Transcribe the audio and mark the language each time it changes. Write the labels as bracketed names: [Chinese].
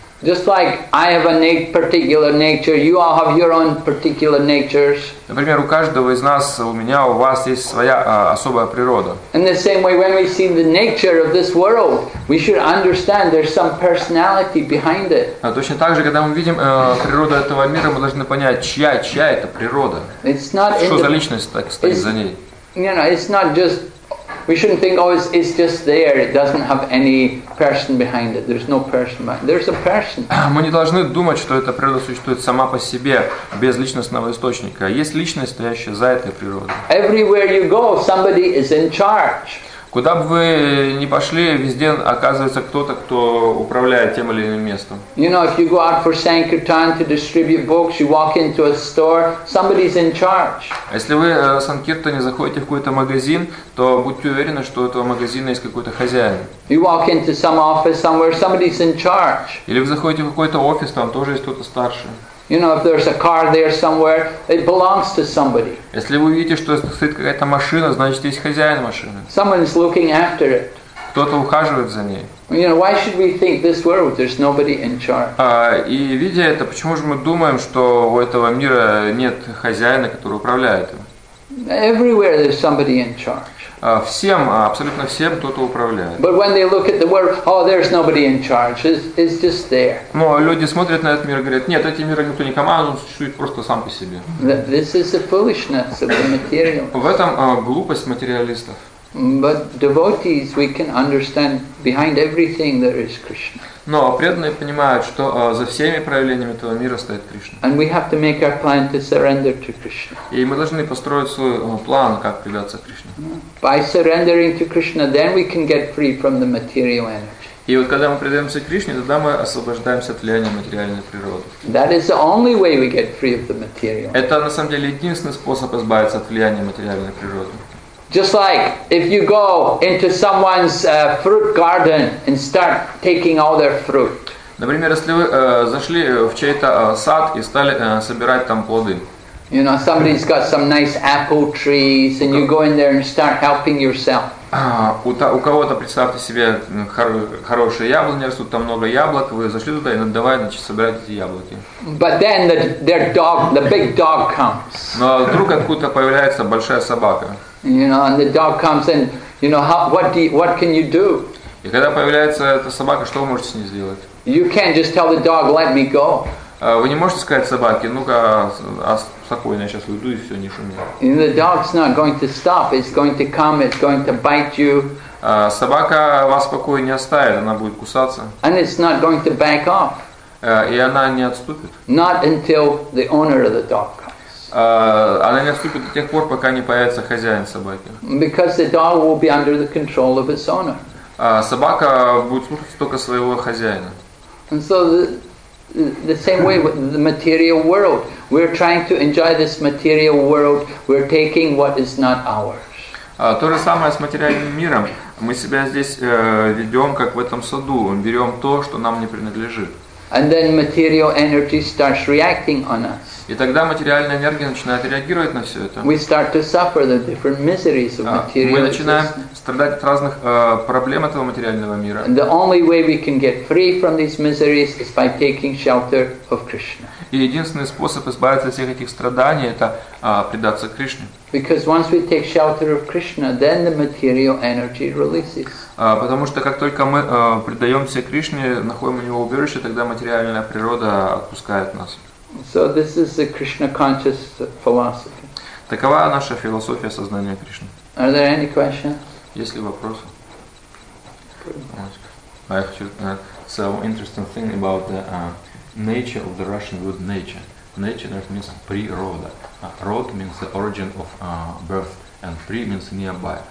[English] Just like I have a particular nature, you all have your own particular natures. [Russian] Например, у каждого из нас, у меня, у вас есть своя особая природа. [English] In the same way, when we see the nature of this world, we should understand there's some personality behind it. [Russian] Точно так же, когда мы видим природу этого мира, мы должны понять, чья это природа. [English] It's not [Russian] что за личность так стоит за ней. [English] You know, it's not just. We shouldn't think, oh, it's just there. It doesn't have any person behind it. There's no person behind it. There's a person. [Russian] Мы не должны думать, что эта природа существует сама по себе без личностного источника. Есть личность, стоящая за этой природой. [English] Everywhere you go, somebody is in charge. [Russian] Куда бы вы ни пошли, везде оказывается кто-то, кто управляет тем или иным местом. [English] You know, if you go out for sankirtan to distribute books, you walk into a store, somebody's in charge. [Russian] Если вы в санкиртане заходите в какой-то магазин, то будьте уверены, что у этого магазина есть какой-то хозяин. [English] You walk into some office somewhere, somebody's in charge. [Russian] Или вы заходите в какой-то офис, там тоже есть кто-то старше. [English] You know, if there's a car there somewhere, it belongs to somebody. [Russian] Если вы видите, что стоит какая-то машина, значит, есть хозяин машины. [English] Someone's looking after it. [Russian] Кто-то ухаживает за ней. [English] You know, why should we think this world, there's nobody in charge? [Russian] И видя это, почему же мы думаем, что у этого мира нет хозяина, который управляет им? [English] Everywhere there's somebody in charge. [Russian] Всем, абсолютно всем кто-то управляет. [English] But when they look at the world, oh, there's nobody in charge. It's just there. [Russian] Но люди смотрят на этот мир и говорят, нет, этим миром никто не командует, он существует просто сам по себе. [English] This is the foolishness of the material. [Russian] В этом глупость материалистов. [English] But devotees, we can understand behind everything there is Krishna. [Russian] Но преданные понимают, что за всеми проявлениями этого мира стоит Кришна. [English] And we have to make our plan to surrender to Krishna. [Russian] И мы должны построить свой план, как предаться Кришне. [English] By surrendering to Krishna, then we can get free from the material energy. [Russian] И вот когда мы предаемся Кришне, тогда мы освобождаемся от влияния материальной природы. [English] That is the only way we get free of the material. [Russian] Это на самом деле единственный способ избавиться от влияния материальной природы. [English] Just like if you go into someone's fruit garden and start taking all their fruit. [Russian] Например, если вы зашли в чей-то сад и стали собирать там плоды. [English] You know, somebody's got some nice apple trees, and you go in there and start helping yourself. [Russian] У кого-то представьте себе хорошие яблони растут, там много яблок, вы зашли туда и давай начать собирать эти яблоки. [English] But then the big dog comes. [Russian] Но вдруг откуда-то появляется большая собака. [English] You know, and the dog comes in. You know, what can you do? [Russian] И когда появляется эта собака, что вы можете с ней сделать? [English] You can't just tell the dog, "Let me go." [Russian] Вы не можете сказать собаке, ну-ка, спокойно, я сейчас уйду и все, не шуми. [English] And the dog's not going to stop. It's going to come. It's going to bite you. [Russian] Собака вас спокойно не оставит, она будет кусаться. [English] And it's not going to back off. [Russian] И она не отступит. [English] Not until the owner of the dog comes. [Russian] Она не отступит до тех пор, пока не появится хозяин собаки. [English] Because the dog will be under the control of its owner. [Russian] Собака будет слушаться только своего хозяина. [English] And so the same way with the material world. We're trying to enjoy this material world. We're taking what is not ours. [Russian] То же самое с материальным миром. Мы себя здесь ведем, как в этом саду. Мы берем то, что нам не принадлежит. [English] And then material energy starts reacting on us. [Russian] И тогда материальная энергия начинает реагировать на все это. [English] We start to suffer the different miseries of material. [Russian] Мы начинаем страдать от разных проблем этого материального мира. [English] And the only way we can get free from these miseries is by taking shelter of Krishna. [Russian] И единственный способ избавиться от всех этих страданий – это предаться Кришне. [English] Because once we take shelter of Krishna, then the material energy releases. [Russian] Потому что как только мы предаемся Кришне, находим у него убежище, тогда материальная природа отпускает нас. [English] So this is the Krishna conscious philosophy. [Russian] Такова наша философия сознания Кришны. [English] Are there any questions? [Russian] Есть ли вопросы? [English] I have some interesting thing about the nature of the Russian word nature. Nature means природа. Род means the origin of birth, and pre means nearby.